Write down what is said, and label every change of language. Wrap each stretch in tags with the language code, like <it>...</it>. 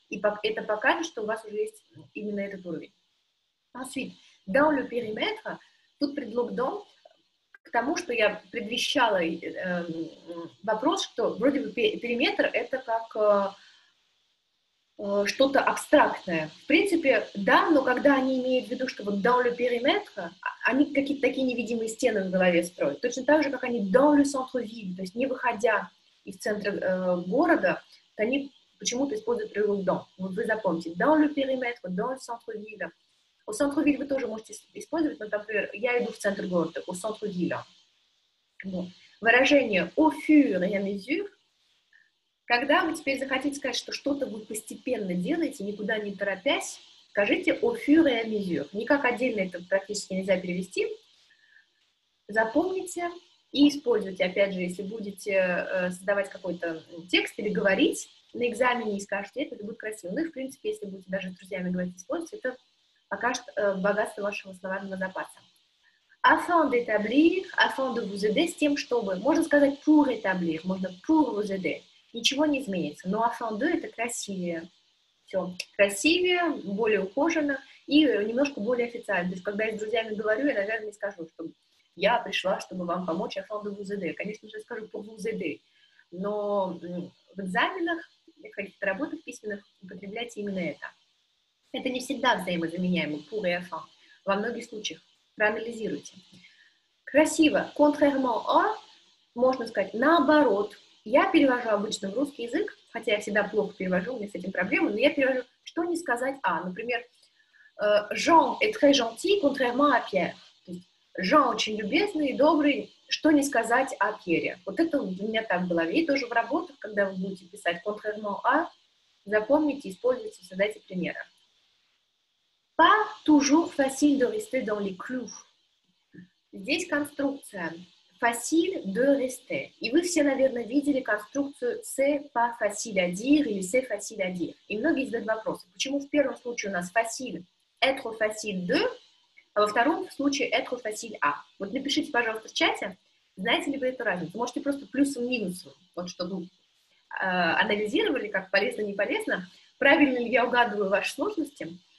<ru>И это покажет, что у вас уже есть именно этот уровень.</ru> <fr>Ensuite, dans le périmètre,</fr> <ru>тут предлог dans, к тому, что я предвещала вопрос, что вроде бы периметр — это как что-то абстрактное. В принципе, да, но когда они имеют в виду, что вот</ru> <fr>dans le périmètre,</fr> <ru>они какие-то такие невидимые стены в голове строят. Точно так же, как они</ru> <fr>dans le centre-ville,</fr> <ru>то есть не выходя из центра города, то они почему-то используют прилог dans. Вот вы запомните,</ru> <fr>dans le périmètre, dans le centre-ville. Au centre-ville</fr> <ru>вы тоже можете использовать, но, например, я иду в центр города,</ru> <fr>au centre-ville.</fr> <ru>Выражение</ru> <fr>au fur et à mesure.</fr> <ru>Когда вы теперь захотите сказать, что что-то вы постепенно делаете, никуда не торопясь, скажите</ru> <fr>au fur et à mesure.</fr> <ru>Никак отдельно это практически нельзя перевести. Запомните и используйте. Опять же, если будете создавать какой-то текст или говорить на экзамене и скажете это будет красиво. Ну и, в принципе, если будете даже с друзьями говорить, используйте, это покажет богатство вашего словарного запаса.</ru> <fr>Afin d'établir, afin de vous aider,</fr> <ru>с тем, чтобы. Можно сказать</ru> <fr>pour établir,</fr> <ru>можно</ru> <fr>pour vous aider.</fr> <ru>Ничего не изменится. Но</ru> <fr>afin de</fr> <ru>— это красивее. Все. Красивее, более ухоженно и немножко более официально. То есть, когда я с друзьями говорю, я, наверное, не скажу, что я пришла, чтобы вам помочь</ru> <fr>afin de vous aider.</fr> <ru>Конечно же, я скажу</ru> <fr>pour vous aider.</fr> <ru>Но в экзаменах, в каких-то работах письменных употребляйте именно это. Это не всегда взаимозаменяемо pour и afin. Во многих случаях. Проанализируйте. Красиво.</ru> <fr>Contrairement à,</fr> <ru>можно сказать, наоборот. Я перевожу обычно в русский язык, хотя я всегда плохо перевожу, у меня с этим проблемы, но я перевожу, что не сказать «а».</ru> <fr>Например, «Jean est très gentil, contrairement à Pierre».</fr> <ru>То есть «Jean очень любезный и добрый, что не сказать о Пьере». Вот это у меня так в голове. И тоже в работах, когда вы будете писать</ru> <fr>«contrairement à»,</fr> <ru>запомните, используйте, создайте примеры.</ru> <fr>«Pas toujours facile de rester dans les clous».</fr> <ru>Здесь конструкция.</ru> <fr>Facile de rester.</fr> <ru>И вы все, наверное, видели конструкцию</ru> <fr>c'est pas facile à dire</fr> <ru>или</ru> <fr>c'est facile à dire.</fr> <ru>И многие задают вопросы, почему в первом случае у нас facile,</ru> <fr>être facile de,</fr> <ru>а во втором случае</ru> <fr>être facile à.</fr> <ru>Вот напишите, пожалуйста, в чате, знаете ли вы эту разницу. Можете просто плюсом-минусом, вот чтобы анализировали, как полезно-не полезно, правильно ли я угадываю ваши сложности.</ru>